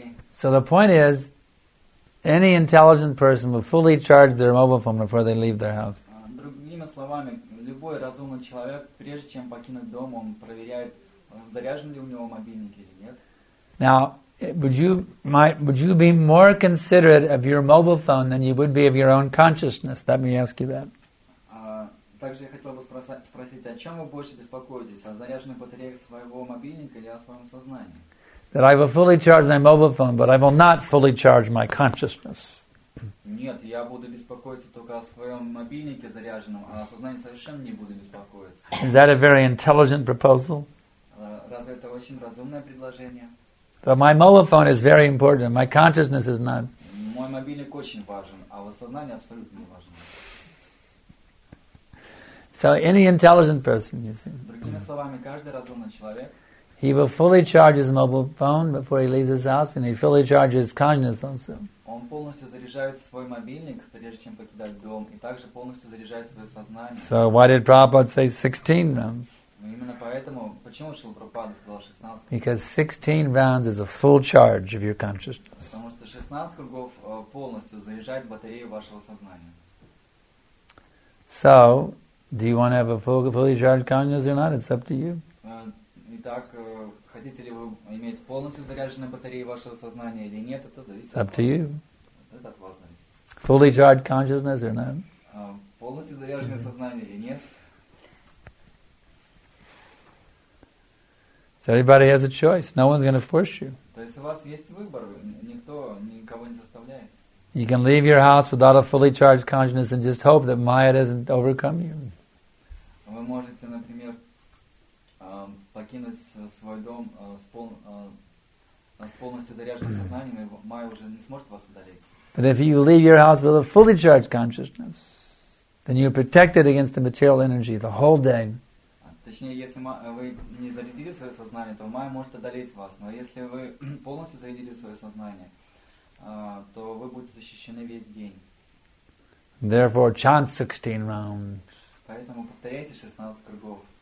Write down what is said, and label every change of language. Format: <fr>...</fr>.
<en>So the point is, any intelligent person will fully charge their mobile phone before they leave their house.</en> <ru>Другими словами, любой разумный человек, прежде чем покинуть дом, он проверяет, заряжен ли у него мобильник или нет.</ru> <en>Now, would you be more considerate of your mobile phone than you would be of your own consciousness? Let me ask you that.</en> <ru>Также я хотел бы спросить, о чем вы больше беспокоитесь, о заряженной батарее своего мобильника или о своем сознании?</ru> <en>That I will fully charge my mobile phone, but I will not fully charge my consciousness.</en> <ru>Нет, я буду беспокоиться только о своем мобильнике заряженном, а о сознании совершенно не буду беспокоиться.</ru> <en>Is that a very intelligent proposal?</en> <ru>Разве это очень разумное предложение?</ru> <en>But my mobile phone is very important, my consciousness is not.</en> <ru>Мой мобильник очень важен, а вот сознание абсолютно не важно.</ru> <en>So any intelligent person, you see.</en> <ru>Другими словами, каждый разумный человек.</ru> <en>He will fully charge his mobile phone before he leaves his house, and he fully charges his consciousness also.</en> <ru>Он полностью заряжает свой мобильник, прежде чем покидать дом, и также полностью заряжает свое сознание.</ru> <en>So why did Prabhupada say 16 rounds?</en> <ru>Именно поэтому, почему Шрила Прабхупада сказал 16?</ru> <en>Because 16 rounds is a full charge of your consciousness.</en> <ru>Потому что 16 кругов полностью заряжает батарею вашего сознания.</ru> <en>So, do you want to have a fully charged consciousness or not? It's up to you.</en> <ru>Итак, хотите ли вы иметь полностью заряженную батарею вашего сознания или нет, это зависит</ru> <en>up</en> <ru>от вас.</ru> <en>You.</en> <ru>Это от вас зависит.</ru> <en>Fully charged consciousness or not?</en> <ru>Полностью заряженное сознание или нет?</ru> <en>So everybody has a choice. No one's going to force you.</en> <ru>То есть у вас есть выбор, никто никого не заставляет.</ru> <en>You can leave your house without a fully charged consciousness and just hope that Maya doesn't overcome you.</en> <ru>Вы можете, например, покинуть свой дом с полностью заряженным сознанием, и Майя уже не сможет вас одолеть.</ru> <en>But if you leave your house with a fully charged consciousness, then you're protected against the material energy the whole day.</en> <ru>Точнее, если вы не зарядили свое сознание, то майя может одолеть вас. Но если вы полностью зарядили свое сознание, то вы будете защищены весь день.</ru> <en>Therefore, chant 16 rounds. Поэтому повторяйте 16 кругов.</en>